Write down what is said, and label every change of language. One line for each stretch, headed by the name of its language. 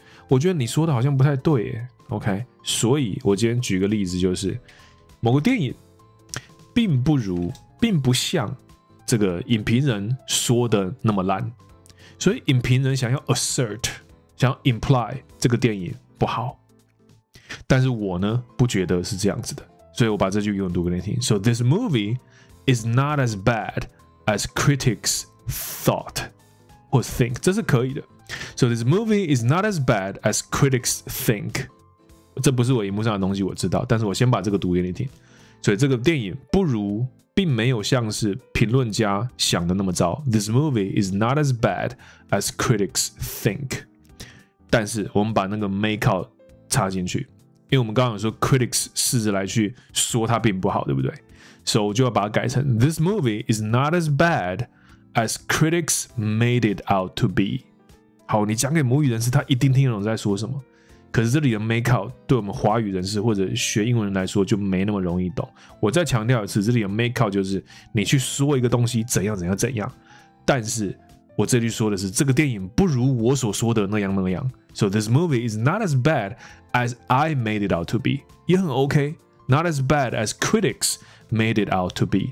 Chinese: 我觉得你说的好像不太对耶。OK， 所以我今天举个例子，就是某个电影并不如，并不像这个影评人说的那么烂，所以影评人想要 assert， 想要 imply 这个电影不好，但是我呢不觉得是这样子的，所以我把这句用读给你听。
English: So this movie is not as bad as critics thought or think，
Chinese: 这是可以的。
English: So this movie is not as bad as critics think，
Chinese: 这不是我荧幕上的东西，我知道，但是我先把这个读给你听。所以这个电影不如，并没有像是评论家想的那么糟。
English: This movie is not as bad as critics think，
Chinese: 但是我们把那个 make out 插进去，因为我们刚刚有说 critics 试着来去说它并不好，对不对？所以我就要把它改成
English: This movie is not as bad as critics made it out to be。
Chinese: 好，你讲给母语人士，他一定听得懂在说什么，可是这里的 make out 对我们华语人士或者学英文人来说就没那么容易懂。我再强调一次，这里的 make out 就是你去说一个东西怎样怎样怎样，但是我这句说的是这个电影不如我所说的那样那样。
English: So this movie is not as bad as I made it out to be，
Chinese: 也很
English: OK， not as bad as critics made it out to be。